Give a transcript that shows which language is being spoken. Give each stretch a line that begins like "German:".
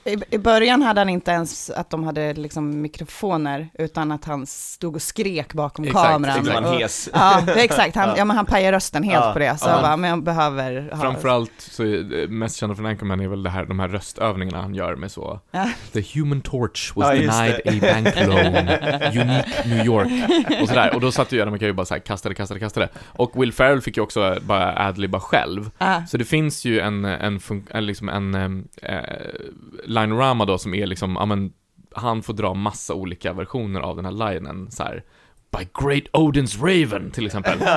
Swedish: I början hade han inte ens att de hade liksom mikrofoner, utan att han stod och skrek bakom kameran. Exakt, och, hes. Ja, det är exakt. Han, ja, men han pajar rösten helt på det. Så jag bara, men jag behöver ha. Framförallt, så mest kända från Anchorman är väl det här, de här röstövningarna han gör med så.
English: The human torch was denied a bank loan. Unique New York.
Swedish: Och sådär. Och då satt ju, man kan ju bara såhär, kastade. Och Will Ferrell fick ju också bara adliba själv. Så det finns ju en linorama då, som är liksom, amen, han får dra massa olika versioner av den här linen, så här,
English: by great Odin's raven
Swedish: till exempel,